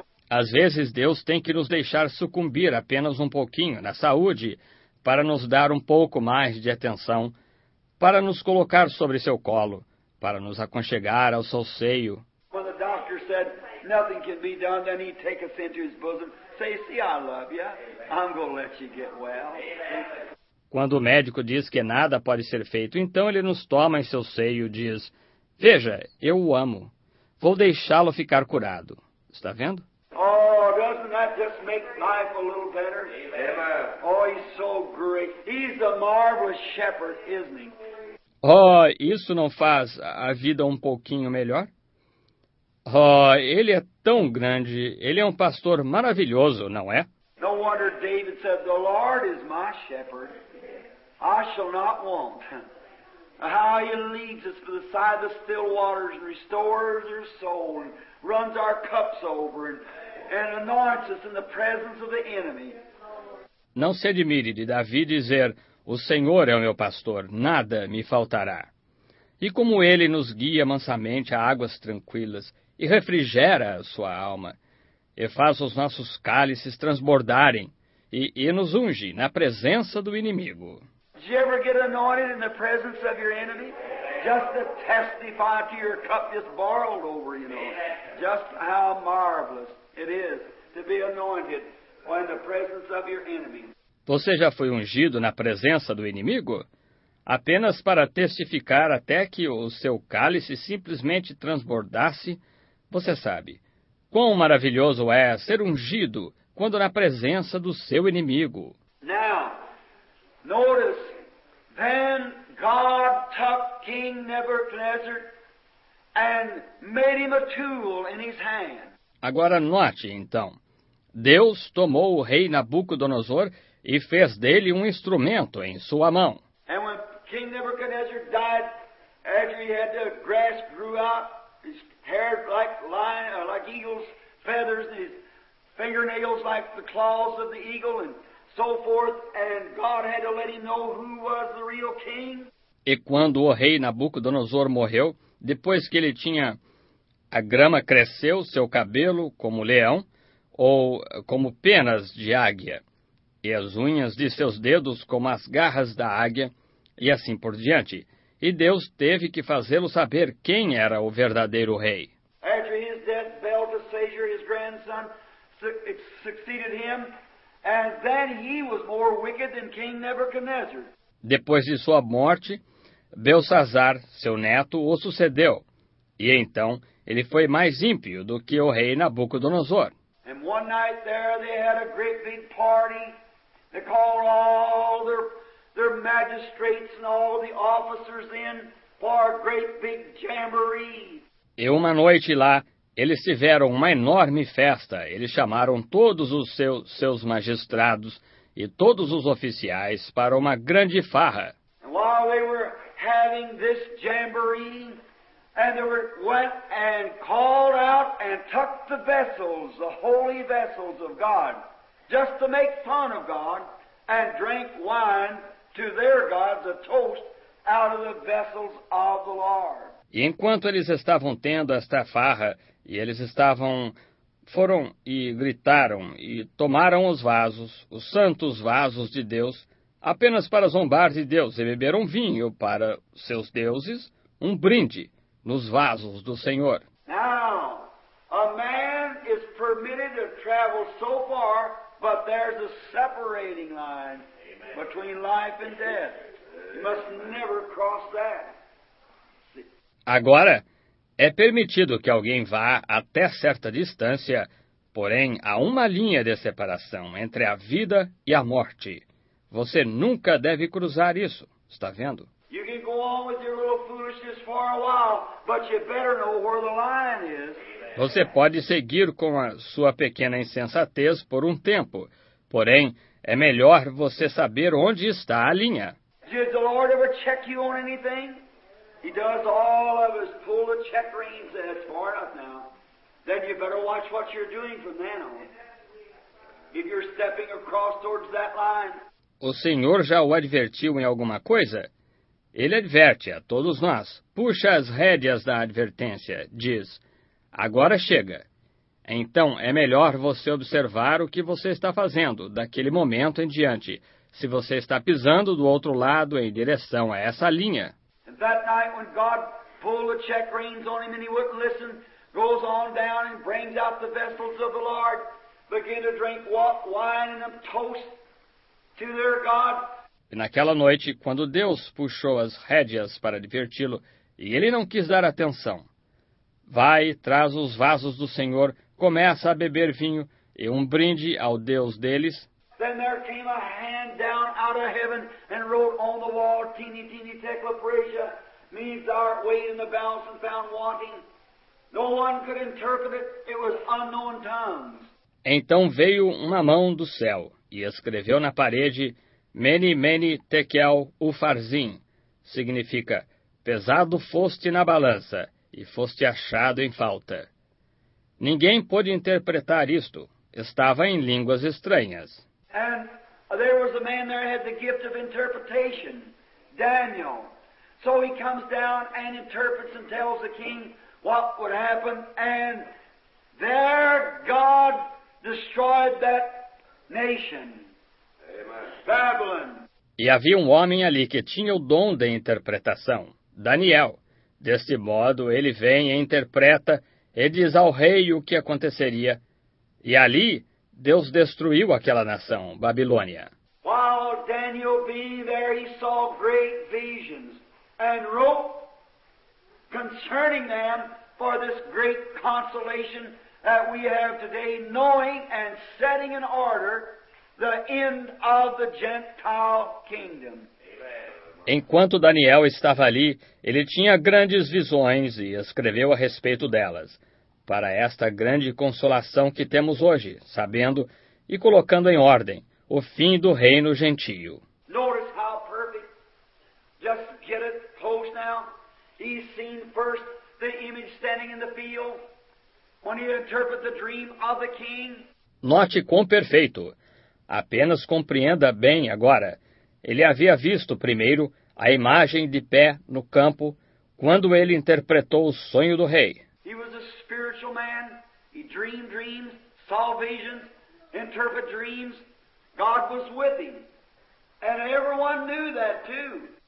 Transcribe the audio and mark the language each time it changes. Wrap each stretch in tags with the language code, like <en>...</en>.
<pt>Às vezes, Deus tem que nos deixar sucumbir apenas um pouquinho na saúde, para nos dar um pouco mais de atenção, para nos colocar sobre seu colo, para nos aconchegar ao seu seio. Quando o doutor disse...</pt> <en>Nothing can be done, then he'd take us into his bosom, say, see, I love you, I'm going to let you get well.</en> <pt>Quando o médico diz que nada pode ser feito, então ele nos toma em seu seio e diz, veja, eu o amo, vou deixá-lo ficar curado. Está vendo?</pt> <en>Oh, doesn't that just make life a little better? Amen. Oh, he's so great. He's a marvelous shepherd, isn't he?</en> <pt>Oh, isso não faz a vida um pouquinho melhor? Oh, ele é tão grande, ele é um pastor maravilhoso, não é?</pt> <en>No wonder David said, the Lord is my shepherd, I shall not want. How he leads us to the side of the still waters and restores our soul and runs our cups over and anoints us in the presence of the enemy.</en> <pt>Não se admire de Davi dizer, o Senhor é o meu pastor, nada me faltará. E como ele nos guia mansamente a águas tranquilas, e refrigera a sua alma, e faz os nossos cálices transbordarem, e nos unge na presença do inimigo.</pt> <en>Did you ever get anointed in the presence of your enemy? Just to testify to your cup just borrowed over, you know. Just how marvelous it is to be anointed in the presence of your enemy.</en> <pt>Você já foi ungido na presença do inimigo? Apenas para testificar até que o seu cálice simplesmente transbordasse. Você sabe, quão maravilhoso é ser ungido quando na presença do seu inimigo.</pt> <en>Now, notice, then God took King Nebuchadnezzar and made him a tool in his hand.</en> <pt>Agora note, então, Deus tomou o rei Nabucodonosor e fez dele um instrumento em sua mão.</pt> <en>And when King Nebuchadnezzar died after he had the grass grew out, his hair like lion, like eagle's feathers, and his fingernails like the claws of the eagle, and so forth, and God had to let him know who was the real king.</en> <pt>E quando o rei Nabucodonosor morreu, depois que ele tinha a grama cresceu, seu cabelo como leão, ou como penas de águia, e as unhas de seus dedos como as garras da águia, e assim por diante. E Deus teve que fazê-lo saber quem era o verdadeiro rei.</pt> <en>After his death, Belteshazzar, his grandson, succeeded him, and then he was more wicked than King Nebuchadnezzar.</en> <pt>Depois de sua morte, Belsazar, seu neto, o sucedeu. E então, ele foi mais ímpio do que o rei Nabucodonosor.</pt> <en>And one night there they had a great big party. They called all their magistrates and all the officers in for a great big jamboree.</en> <pt>E uma noite lá, eles tiveram uma enorme festa. Eles chamaram todos os seus magistrados e todos os oficiais para uma grande farra.</pt> <en>And while they were having this jamboree, and they went and called out and took the vessels, the holy vessels of God, just to make fun of God, and drank wine to their gods, a toast, out of the vessels of the Lord.</en> <pt>E enquanto eles estavam tendo esta farra, e eles estavam, foram e gritaram, e tomaram os vasos, os santos vasos de Deus, apenas para zombar de Deus, e beberam vinho para seus deuses, um brinde, nos vasos do Senhor.</pt> <en>Now, a man is permitted to travel so far, but there's a separating line between life and death. You must never cross that.</en> <pt>Agora, é permitido que alguém vá até certa distância, porém há uma linha de separação entre a vida e a morte. Você nunca deve cruzar isso, está vendo?</pt> <en>You can go on with your little foolishness for a while, but you better know where the line is.</en> <pt>Você pode seguir com a sua pequena insensatez por um tempo, porém é melhor você saber onde está a linha.</pt> <en>Did the Lord ever check you on anything? He does all of us pull the check reins and it's far enough now. Then you better watch what you're doing from then on. If you're stepping across towards that line.</en> <pt>O Senhor já o advertiu em alguma coisa? Ele adverte a todos nós. Puxa as rédeas da advertência, diz. Agora chega. Então é melhor você observar o que você está fazendo daquele momento em diante. Se você está pisando do outro lado em direção a essa linha.</pt> <en>That night when God pulled the check reins on him and he wouldn't listen, goes on down and brings out the vessels of the Lord, begin to drink wine and a toast to their God.</en> <pt>E naquela noite, quando Deus puxou as rédeas para diverti-lo, e ele não quis dar atenção, vai, traz os vasos do Senhor, começa a beber vinho e um brinde ao Deus deles.</pt> <en>Then there came a hand down out of heaven and wrote on the wall, teeny, teeny, tecla, praesia, means our weight in the balance and found wanting. No one could interpret it. It was unknown tongues.</en> <pt>Então veio uma mão do céu e escreveu na parede, meni, meni, tekel, ufarzim. Significa, pesado foste na balança e foste achado em falta. Ninguém pôde interpretar isto. Estava em línguas estranhas.</pt> <en>And there was a man there who had the gift of interpretation, Daniel. So he comes down and interprets and tells the king what would happen. And there God destroyed that nation, Amen. Babylon.</en> <pt>E havia um homem ali que tinha o dom de interpretação, Daniel. Deste modo, ele vem e interpreta e diz ao rei o que aconteceria. E ali Deus destruiu aquela nação, Babilônia.</pt> <en>While Daniel being there, he saw great visions and wrote concerning them for this great consolation that we have today, knowing and setting in order the end of the Gentile kingdom.</en> <pt>Enquanto Daniel estava ali, ele tinha grandes visões e escreveu a respeito delas. Para esta grande consolação que temos hoje, sabendo e colocando em ordem o fim do reino gentio.</pt> <en>Notice how perfect. Just get it close now. He's seen first the image standing in the field when he interpreted the dream of the king.</en> <pt>Note quão perfeito. Apenas compreenda bem agora. Ele havia visto primeiro a imagem de pé no campo quando ele interpretou o sonho do rei.</pt> <en>He was a spiritual man. He dreamed dreams, saw visions, interpreted dreams. God was with him. And everyone knew that too.</en>